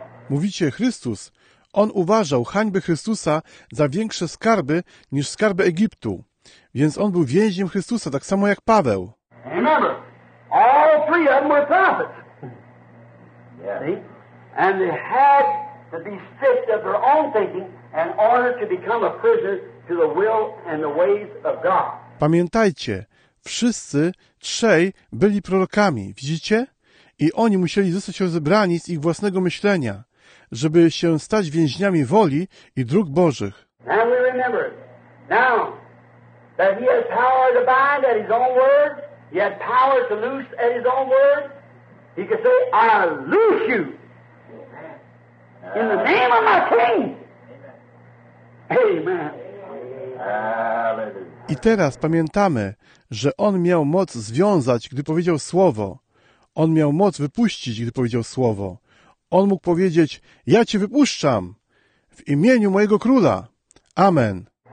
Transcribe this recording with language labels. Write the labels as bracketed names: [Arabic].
[Polish] Mówicie, Chrystus, on uważał hańby Chrystusa za większe skarby niż skarby Egiptu. Więc on był więźniem Chrystusa, tak samo jak Paweł. [English] Remember, all three of them were prophets. And they had to be stripped of their own thinking in order to become a prisoner to the will and the ways of God. [Polish] Pamiętajcie, wszyscy trzej byli prorokami, widzicie? I oni musieli zostać rozebrani z ich własnego myślenia, żeby się stać więźniami woli i dróg Bożych. [English] Now we remember now that he has power to bind at his own word. He had power to loose at his own word. He could say, I loose you in the name of my king. Amen. [Polish] I teraz pamiętamy, że on miał moc związać, gdy powiedział słowo. On miał moc wypuścić, gdy powiedział słowo. On mógł powiedzieć, ja cię wypuszczam w imieniu mojego króla. Amen.